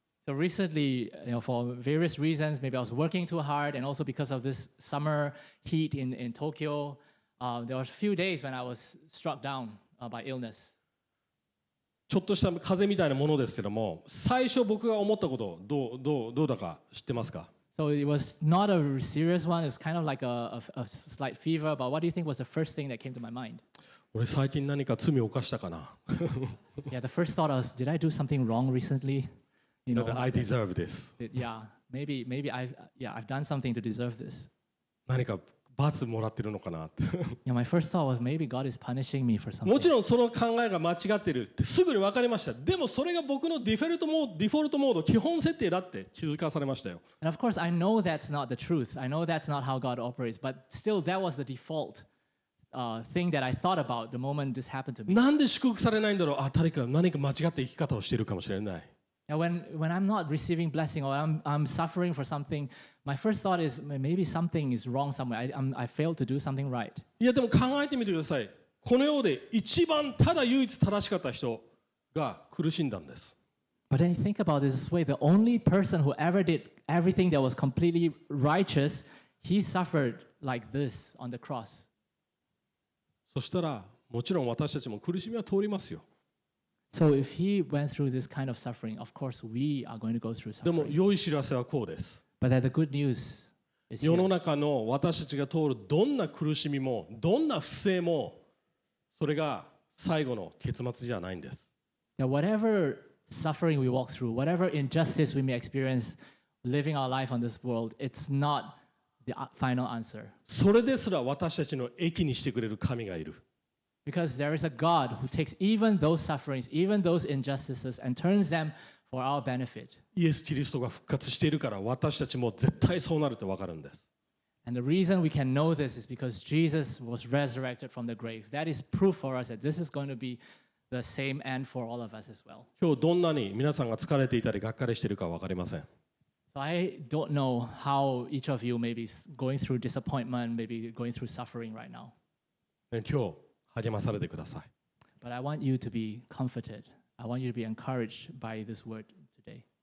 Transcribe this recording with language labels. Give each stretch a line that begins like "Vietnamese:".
English: So recently, you know, for various reasons, maybe I was working too hard and also because of this summer heat in Tokyo, there were a few days when I was struck down by illness.
Japanese: ちょっとした風邪みたいなものですけども、最初僕が思ったことどうだか知ってますか？
English: So it was not a serious one. It's kind of like a slight fever. But what do you think was the first thing that came to my mind?
Japanese: 俺最近何か罪を犯したかな。
English: Yeah, the first thought was, did I do something wrong recently? You know, I deserve this. Yeah, maybe I've done something to deserve this.
Japanese: 何か罰もらってるのかな。
English: Yeah, my first thought was maybe God is punishing me for something.
Japanese: もちろんその考えが間違ってるってすぐに分かりました。でもそれが僕のディフォルトモード基本設定だって気づかされましたよ。
English: And of course, I know that's not the truth. I know that's not how God operates. But still, that was the default thing that I thought about the moment this happened to me.
Japanese: なんで祝福されないんだろう。誰か何か間違って生き方をしているかもしれない。
English: Now, when I'm not receiving blessing or I'm suffering for something, my first thought is maybe something is wrong somewhere. I failed to do something right.
Japanese: いやでも考えてみてください。この世で一番ただ唯一正しかった人が苦しんだんです。
English: But then you think about it this way, the only person who ever did everything that was completely righteous, he suffered like this on the cross.
Japanese: そしたらもちろん私たちも苦しみは通りますよ。
English: So if he went through this kind of suffering, of course we are going to go through suffering.
Japanese: でも良い知らせはこうです。
English: But that the good news is here.
Japanese: 世の中の私たちが通るどんな苦しみも、どんな不正も、それが最後の結末じゃないんです。
English: Now, whatever suffering we walk through, whatever injustice we may experience living our life on this world, it's not the final answer.
Japanese: それですら私たちの益にしてくれる神がいる。
English: Because there is a God who takes even those sufferings, even those injustices, and turns them for our benefit.
Japanese: イエス・キリストが復活しているから私たちも絶対そうなるって分かるんです。
English: And the reason we can know this is because Jesus was resurrected from the grave. That is proof for us that this is going to be the same end for all of us as well.
Japanese: 今日どんなに皆さんが疲れていたりがっかりしているか分かりません。
English: So I don't know how each of you may be going through disappointment, maybe going through suffering right now.
Japanese: 今日励まされてください。
English: But I want you to be comforted. I want you to be encouraged by this word today.